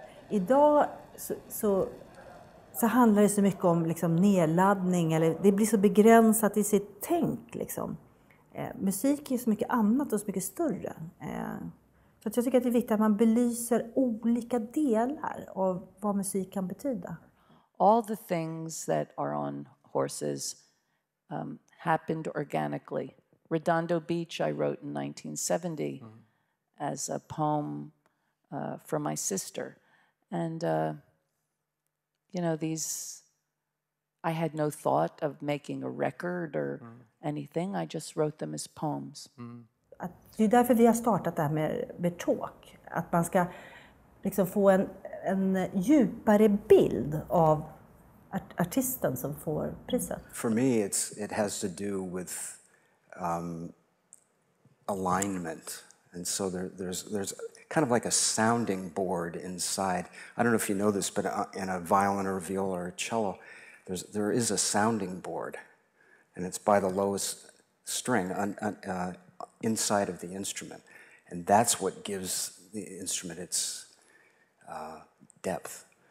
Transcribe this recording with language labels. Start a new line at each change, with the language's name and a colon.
Swedish: Idag så handlar det så mycket om liksom nedladdning, eller det blir så begränsat i sitt tänk. Liksom. Musik är så mycket annat och så mycket större. Så att jag tycker att det är viktigt att man belyser olika delar av vad musik kan betyda.
English: All the things that are on horses happened organically. Redondo Beach I wrote in 1970 as a poem for my sister. And you know, I had no thought of making a record or anything. I just wrote them as poems.
Swedish: Att det är därför vi har startat det här med talk. Att man ska liksom få en djupare bild av artisten som får priset.
English: For me, it has to do with alignment. And so there's kind of like a sounding board inside. I don't know if you know this, but in a violin or a viola or a cello, there is a sounding board, and it's by the lowest string inside of the instrument, and that's what gives the instrument its depth.